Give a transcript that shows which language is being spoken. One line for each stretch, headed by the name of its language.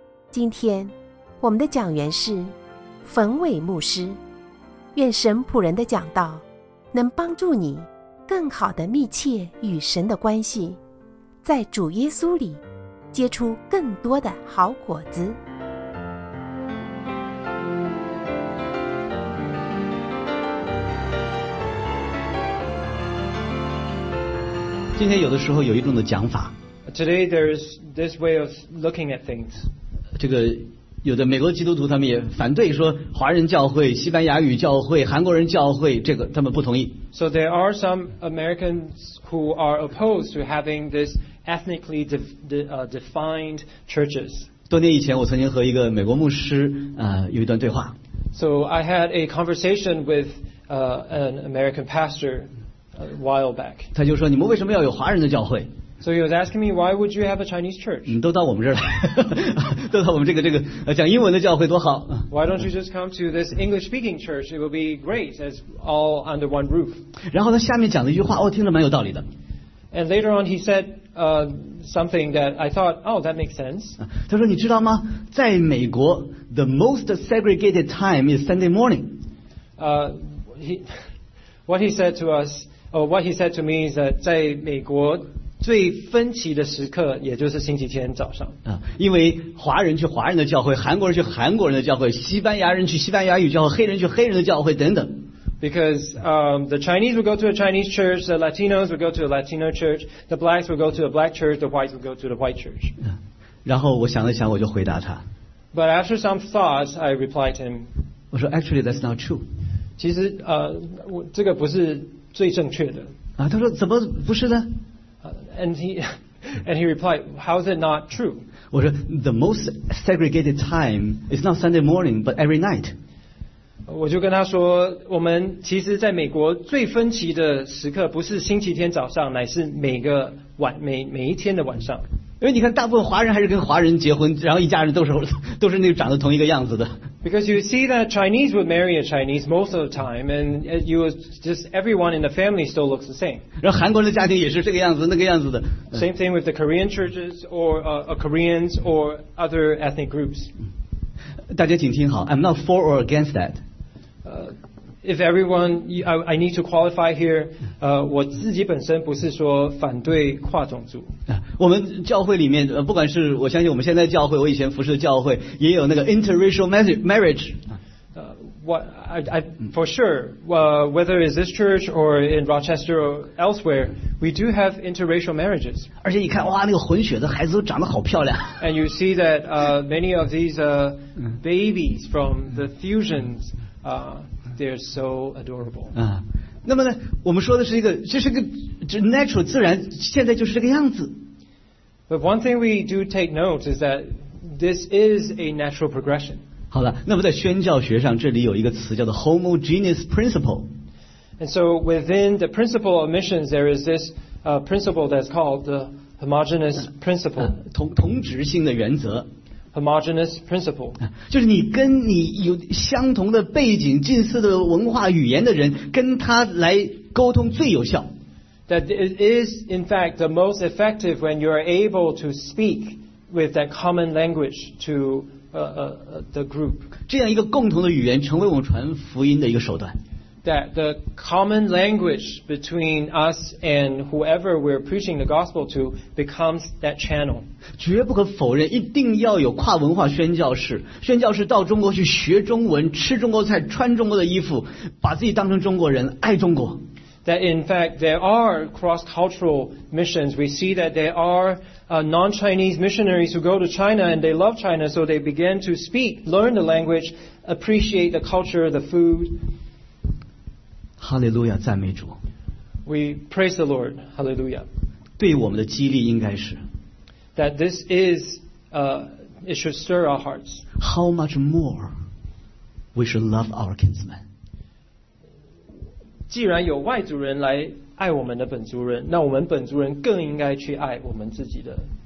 Chinese: 今天我们的讲员是冯伟牧师，愿神仆人的讲道能帮助你更好地密切与神的关系，在主耶稣里结出更多的好果子。今天有的时候有一种的讲法。
English: Today there's this way of looking at things.
Chinese: 这个有的美国基督徒他们也反对说华人教会、西班牙语教会、韩国人教会，这个他们不同意。
English: So there are some Americans who are opposed to having this ethnically defined churches.
Chinese: 多年以前，我曾经和一个美国牧师有一段对话。
English: So I had a conversation with an American pastor a while back.
Chinese: 他就说你们为什么要有华人的教会？
English: So he was asking me, why would you have a Chinese church?
Chinese: 你都到我们这儿来，都到我们这个讲英文的教会多好。
English: Why don't you just come to this English-speaking church? It will be great as all under one roof.
Chinese: 然后他下面讲了一句话，听着蛮有道理的。
English: And later on, he said something that I thought, oh, that makes sense.
Chinese: 他说，你知道吗？在美国 ，
English: the most segregated time is Sunday morning. What he said to me is that
Chinese: 在美国最分歧的时刻，也就是星期天早上。因为华人去华人的教会，韩国人去韩国人的教会，西班牙人去西班牙语教会，黑人去黑人的教会，等等。
English: Because the Chinese would go to a Chinese church, the Latinos would go to a Latino church, the blacks would go to a black church, the whites would go to the white church.
Chinese: 然后我想了想，我就回答他。
English: But after some thoughts, I replied to him.
Chinese: 我说
English: ，Actually, that's not true.
Chinese: 其实这个不是最正确的。他说怎么不是呢？
English: And he replied, "How is it not true?"
Chinese: 我说
English: ，The most segregated time is not Sunday morning, but every night.
Chinese: 我就跟他说，我们其实在美国最分歧的时刻不是星期天早上，乃是每一天的晚上。因为你看，大部分华人还是跟华人结婚，然后一家人都是那个长得同一个样子的。
English: Because you see that Chinese would marry a Chinese most of the time, and you just everyone in the family still looks the same.
Chinese: 然后韩国人的家庭也是这个样子，那个样子的。
English: Same thing with the Korean churches or Koreans or other ethnic groups.
Chinese: 大家请听好
English: ，I'm not for or against that. If everyone, I need to qualify here.
Chinese: 我自己本身不是说反对跨种族。我们教会里面，不管是我相信我们现在教会，我以前服侍的教会，也有那个 interracial marriage.
English: Whether it's this church or in Rochester or elsewhere, we do have interracial marriages.
Chinese: 而且你看，哇，那个混血的孩子都长得好漂亮。
English: And you see that many of these babies from the fusions. They're so adorable.
Chinese: 那么呢，我们说的是一个，这是个 natural 自然，现在就是这个样子。
English: But one thing we do take note is that this is a natural progression.
Chinese: 好了，那么在宣教学上，这里有一个词叫做 homogeneous principle.
English: And so within the principle of missions, there is this principle that's called the homogeneous principle.
Chinese: 同质性的原则。
English: Homogeneous principle.
Chinese: 就是你跟你有相同的背景、近似的文化、语言的人，跟他来沟通最有效。
English: That it is, in fact, the most effective when you are able to speak with that common language to the group.
Chinese: 这样一个共同的语言成为我们传福音的一个手段。
English: That the common language between us and whoever we're preaching the gospel to becomes that channel.
Chinese: 绝不可否认，一定要有跨文化宣教士。宣教士到中国去学中文，吃中国菜，穿中国的衣服，把自己当成中国人，爱中国。
English: That in fact there are cross-cultural missions. We see that there are non-Chinese missionaries who go to China and they love China, so they begin to speak, learn the language, appreciate the culture, the food.
Chinese: 哈利路亚，赞美主。
English: We praise the Lord, Hallelujah.
Chinese: 对我们的激励应该是
English: that this is it should stir our hearts. How much more we should love our kinsmen.
Chinese: 既然有外族人来爱我们的本族人，那我们本族人更应该去爱我们自己的